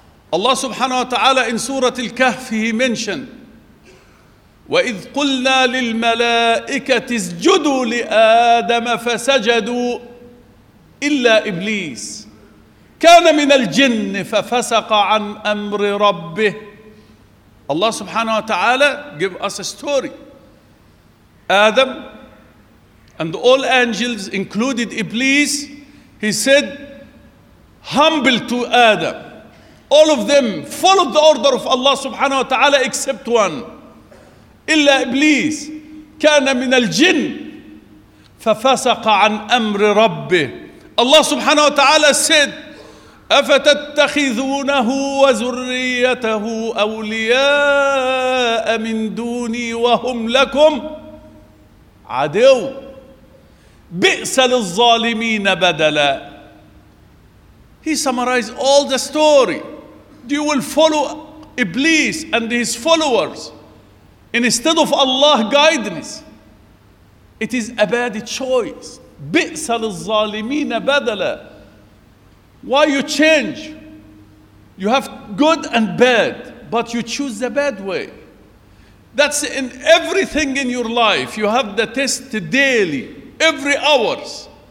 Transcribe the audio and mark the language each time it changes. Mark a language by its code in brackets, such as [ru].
[en] Allah subhanahu wa ta'ala in Surah Al-Kahf he mentioned [ar] وَإِذْ قُلْنَا لِلْمَلَائِكَةِ اسْجُدُوا لِآدَمَ فَسَجَدُوا إِلَّا إِبْلِيسِ كَانَ مِنَ الْجِنِّ فَفَسَقَ عَنْ أَمْرِ رَبِّهِ [en] Allah subhanahu wa ta'ala give us a story. Adam and all angels included Iblis, he said, humble to Adam. All of them followed the order of Allah subhanahu wa ta'ala except one. [ar] إلا إبليس كان من الجن ففسق عن أمر ربه الله سبحانه وتعالى [en] said [ar] أفتتخذونه وذريته أولياء من دوني وهم لكم عدو بئس للظالمين بدلا [en] he summarized all the story you will follow Iblis and his followers Instead of Allah guidance, it is a bad choice. [ar] بِئْسَ لِلظَّالِمِينَ بَدَلًا [en] Why you change? You have good and bad, but you choose the bad way. That's in everything in your life. You have the test daily, every hours.